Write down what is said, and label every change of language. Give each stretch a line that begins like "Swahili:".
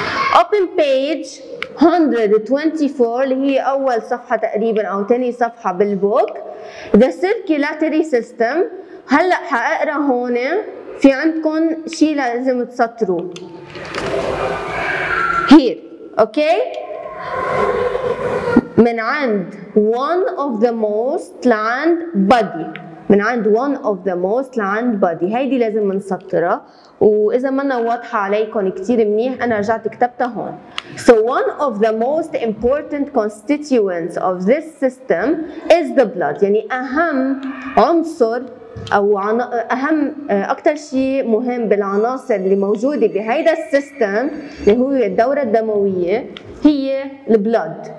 English: Open page 124
Arabic: اللي هي أول صفحة تقريبا أو تاني صفحة بالبوك. The circulatory system، هلا حأقرأ هون، في عندكم شيء لازم تسطروا.
English: Here، okay؟
Arabic: من عند
English: one of the most
Arabic: لعند
English: body.
Arabic: من عند
English: one of the most
Arabic: لعند body، هيدي لازم نسطرها، وإذا منا واضحة عليكم كتير منيح أنا رجعت كتبتها هون.
English: So one of the most important constituents of this system is the blood،
Arabic: يعني أهم عنصر أو أهم أكتر شيء مهم بالعناصر اللي موجودة بهيدا السيستم اللي هو الدورة الدموية هي البلد.